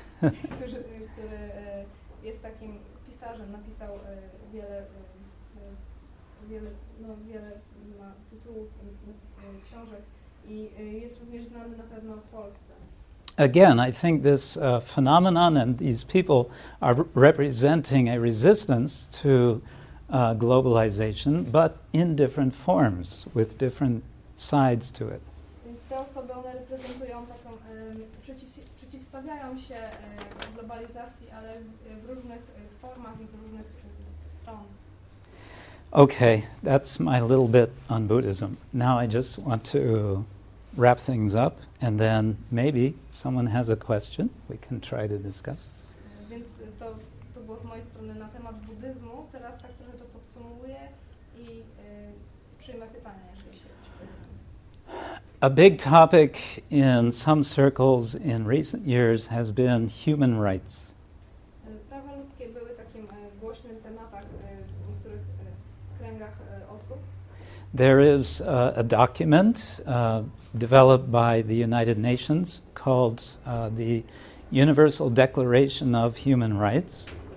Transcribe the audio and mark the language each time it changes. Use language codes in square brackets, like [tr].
[pl] Który jest takim pisarzem, napisał wiele wiele ma tytułów książek i jest również znany na pewno w Polsce. [en] Again, I think this phenomenon and these people are representing a resistance to globalization, but in different forms, with different sides to it. [pl] Więc te osoby, one reprezentują taką, przeciwstawiają się globalizacji, ale w różnych formach i z różnych stron. [en] Okay, that's my little bit on Buddhism. Now I just want to wrap things up, and then maybe someone has a question we can try to discuss. [pl] Więc to było z mojej strony na temat buddyzmu. Teraz tak trochę to podsumuję i przyjmę pytania, jeżeli się [en] A big topic in some circles in recent years has been human rights. [pl] Prawa ludzkie były takim głośnym tematem w niektórych kręgach osób. [en] There is a document developed by the United Nations called the Universal Declaration of Human Rights.